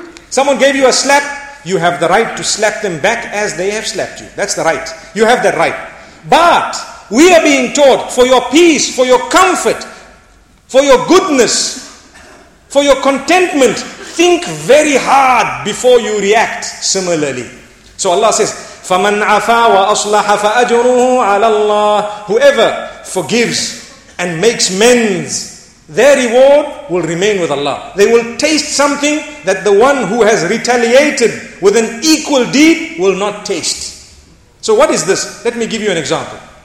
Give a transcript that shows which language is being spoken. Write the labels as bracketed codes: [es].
[en] Someone gave you a slap, you have the right to slap them back as they have slapped you. That's the right. You have that right. But we are being taught for your peace, for your comfort, for your goodness, for your contentment, think very hard before you react similarly. So Allah says, [ar] فَمَنْ عَفَى وَأَصْلَحَ فَأَجْرُهُ عَلَى اللَّهِ. [en] Whoever forgives and makes amends, their reward will remain with Allah. They will taste something that the one who has retaliated with an equal deed will not taste. So what is this? Let me give you an example.